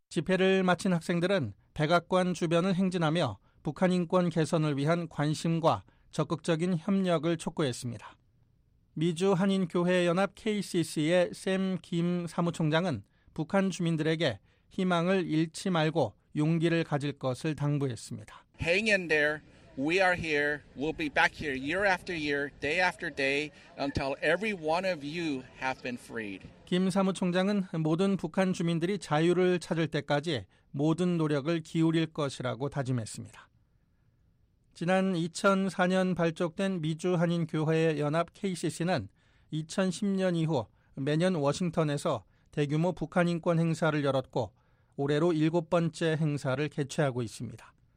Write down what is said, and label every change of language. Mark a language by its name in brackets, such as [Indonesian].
[Korean] 집회를 마친 학생들은 백악관 주변을 행진하며 북한 인권 개선을 위한 관심과 적극적인 협력을 촉구했습니다. 미주 한인교회연합 KCC의 샘 김 사무총장은 북한 주민들에게 희망을 잃지 말고 용기를 가질 것을 당부했습니다. [English] Hang in there. We are here. We'll be back here year after year, day after day, until every one of you have been freed. [Korean] 김 사무총장은 모든 북한 주민들이 자유를 찾을 때까지 모든 노력을 기울일 것이라고 다짐했습니다. 지난 2004년 발족된 미주 한인 교회의 연합 KCC는 2010년 이후 매년 워싱턴에서 대규모 북한 인권 행사를 열었고 올해로 7번째 행사를 개최하고 있습니다.